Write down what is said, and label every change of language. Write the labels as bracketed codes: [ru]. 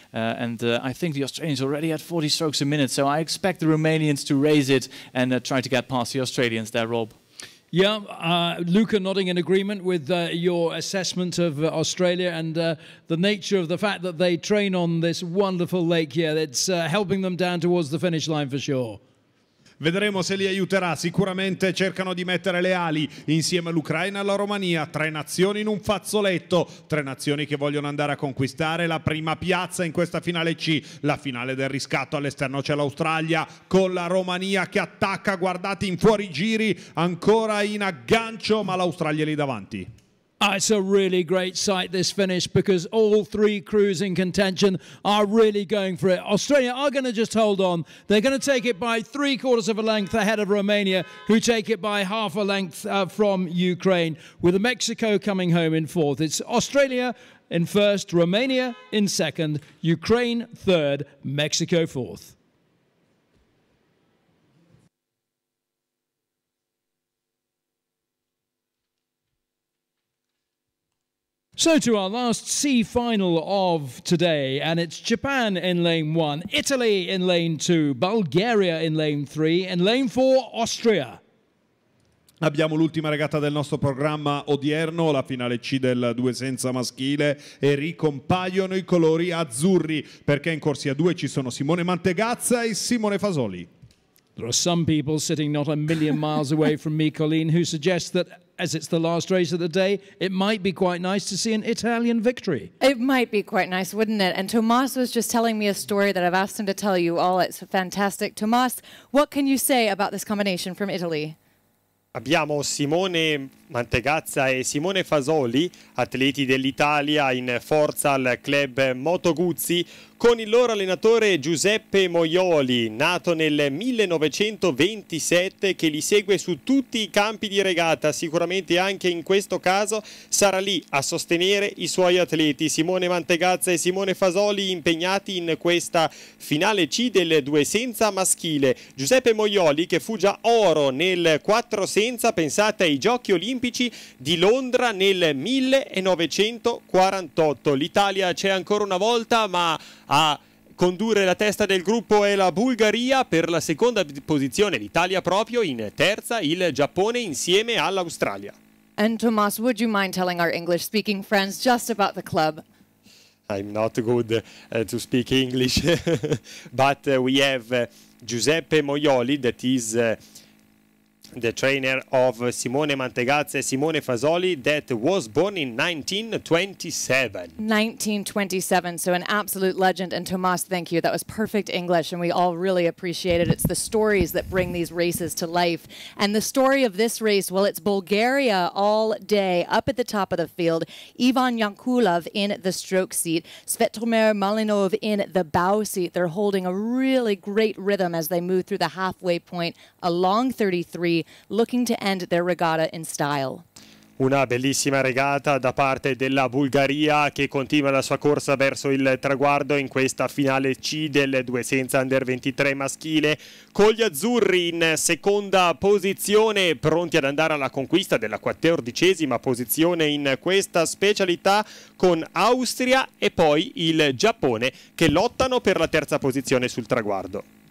[en] I think the Australians already had 40 strokes a minute, so I expect the Romanians to raise it and try to get past the Australians there, Rob. Yeah, Luca nodding in agreement with your assessment of Australia and the nature of the fact that they train on this wonderful lake here. It's helping them down towards the finish line for sure. [it] Vedremo se li aiuterà. Sicuramente cercano di mettere le ali insieme all'Ucraina e alla Romania, tre nazioni in un fazzoletto, tre nazioni che vogliono andare a conquistare la prima piazza in questa finale C, la finale del riscatto. All'esterno c'è l'Australia con la Romania che attacca, guardate in fuori giri, ancora in aggancio, ma l'Australia è lì davanti. [en] It's a really great sight, this finish, because all three crews in contention are really going for it. Australia are going to just hold on. They're going to take it by three quarters of a length ahead of Romania, who take it by half a length from Ukraine, with Mexico coming home in fourth. It's Australia in first, Romania in second, Ukraine third, Mexico fourth. So to our last C final of today, and it's Japan in lane one, Italy in lane two, Bulgaria in lane three, and lane four, Austria. [it] Abbiamo l'ultima regatta del nostro programma odierno, la finale C del due senza maschile, e ricompaiono i colori azzurri, perché in corsia due ci sono Simone Mantegazza e Simone Fasoli. [en] There are some people sitting not a million miles away from me, Colleen, who suggest that as it's the last race of the day, it might be quite nice to see an Italian victory. It might be quite nice, wouldn't it? And Tomas was just telling me a story that I've asked him to tell you all. It's fantastic. Tomas, what can you say about this combination from Italy? [it] Abbiamo Simone Mantegazza e Simone Fasoli, atleti dell'Italia in forza al club Moto Guzzi, con il loro allenatore Giuseppe Moioli, nato nel 1927, che li segue su tutti i campi di regata. Sicuramente anche in questo caso sarà lì a sostenere i suoi atleti, Simone Mantegazza e Simone Fasoli, impegnati in questa finale C del due senza maschile. Giuseppe Moioli, che fu già oro nel 4 senza, pensate, ai giochi olimpici di Londra nel 1948. L'Italia c'è ancora una volta, ma a condurre la testa del gruppo è la Bulgaria, per la seconda posizione l'Italia proprio, in terza il Giappone insieme all'Australia. [en] And Tomas, would you mind telling our English speaking friends just about the club? I'm not good to speak English, but we have Giuseppe Moioli, that is the trainer of Simone Mantegazza, Simone Fasoli, that was born in 1927. 1927, so an absolute legend. And Tomas, thank you. That was perfect English, and we all really appreciate it. It's the stories that bring these races to life. And the story of this race, well, it's Bulgaria all day. Up at the top of the field, Ivan Yankulov in the stroke seat, Svetomir Malinov in the bow seat. They're holding a really great rhythm as they move through the halfway point along 33, looking to end their regatta in style. [it] Una bellissima regata da parte della Bulgaria che continua la sua corsa verso il traguardo in questa finale C del 200 under 23 maschile, con gli azzurri in seconda posizione pronti ad andare alla conquista della 14ª posizione in questa specialità, con Austria e poi il Giappone che lottano per la terza posizione sul traguardo.